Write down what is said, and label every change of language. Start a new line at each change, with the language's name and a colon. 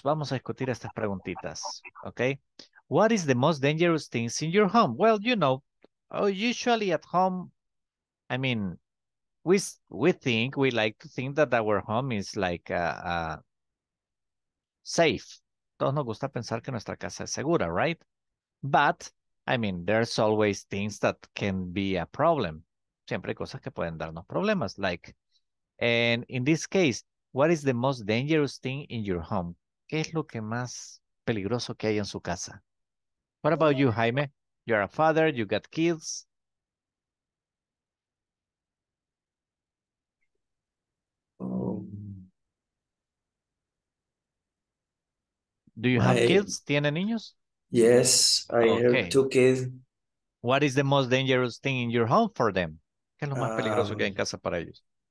Spanish: Vamos a discutir estas preguntitas, okay?
English: What is the most dangerous things in your home? Well, you know, usually at home, I mean, we like to think that our home is like safe.
Spanish: Todos nos gusta pensar que nuestra casa es segura, right?
English: But, I mean, there's always things that can be a problem.
Spanish: Siempre hay cosas que pueden darnos problemas.
English: Like, and in this case, what is the most dangerous thing in your home?
Spanish: ¿Qué es lo que más peligroso que hay en su casa?
English: What about you, Jaime? You're a father, you got kids. Do you have kids?
Spanish: ¿Tiene niños?
English: Yes, I have two kids. What is the most dangerous thing in your home for them?
Spanish: ¿Qué es lo más peligroso que hay en casa para ellos?